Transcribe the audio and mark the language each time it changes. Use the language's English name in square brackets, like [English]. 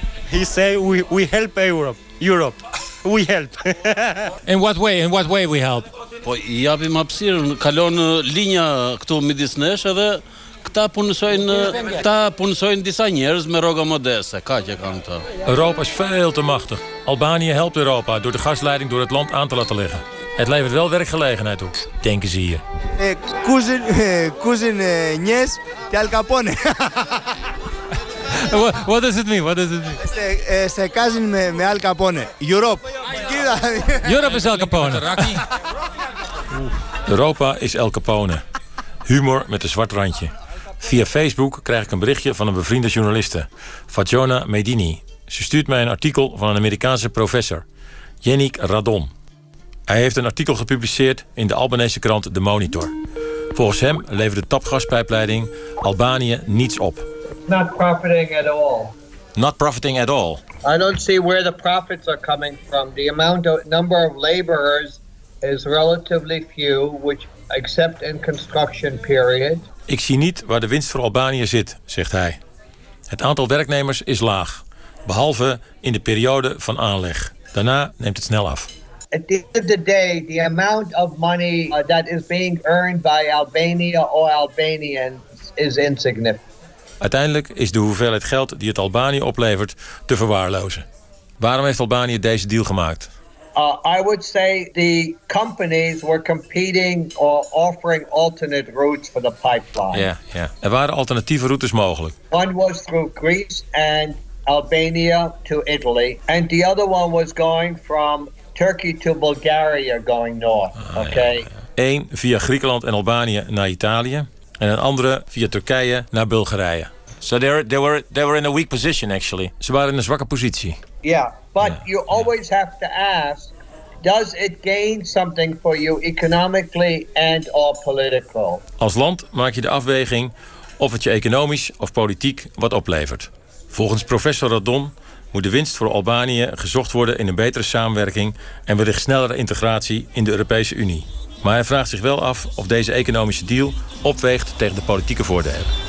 [English] He say we help Europe. We help. In what way? In what way we help? [Albanian] Po i japim hapësirën, kalon linja këtu midis nesh edhe këta punësojnë disa njerëz me rroga modeste, kaq e kanë këta. [Dutch] Europa is veel te machtig. Albanië helpt Europa door de gasleiding door het land aan te laten liggen. Het levert wel werkgelegenheid op, denken ze hier. [Albanian] Kuzin njes te Al Capone. [English] What does it mean? What does it mean? [Albanian] Se kazin me Al Capone. Europe. [English] Europe is Al Capone. [Dutch] Europa is Al Capone. Humor met een zwart randje. Via Facebook krijg ik een berichtje van een bevriende journaliste, Fajona Medini. Ze stuurt mij een artikel van een Amerikaanse professor, Yannick Radon. Hij heeft een artikel gepubliceerd in de Albanese krant The Monitor. Volgens hem levert de tapgaspijpleiding Albanië niets op. [English] Not profiting at all. Not profiting at all. I don't see where the profits are coming from. The amount of number of laborers is relatively few, which except in construction period. [Dutch] Ik zie niet waar de winst voor Albanië zit, zegt hij. Het aantal werknemers is laag, behalve in de periode van aanleg. Daarna neemt het snel af. [English] At the end of the day, the amount of money that is being earned by Albania or Albanians is insignificant. [Dutch] Uiteindelijk is de hoeveelheid geld die het Albanië oplevert te verwaarlozen. Waarom heeft Albanië deze deal gemaakt? [English] I would say the companies were competing or offering alternate routes for the pipeline. [Dutch] Ja, ja. Er waren alternatieve routes mogelijk. [English] One was through Greece and Albania to Italy, and the other one was going from Turkey to Bulgaria going north. Okay. [Dutch] Eén via Griekenland en Albanië naar Italië. En een andere via Turkije naar Bulgarije. [English] So they were in a weak position actually. [Dutch] Ze waren in een zwakke positie. [English] Yeah, but yeah. You always have to ask, does it gain something for you economically and or political? [Dutch] Als land maak je de afweging of het je economisch of politiek wat oplevert. Volgens professor Radon moet de winst voor Albanië gezocht worden in een betere samenwerking en wellicht snellere integratie in de Europese Unie. Maar hij vraagt zich wel af of deze economische deal opweegt tegen de politieke voordelen.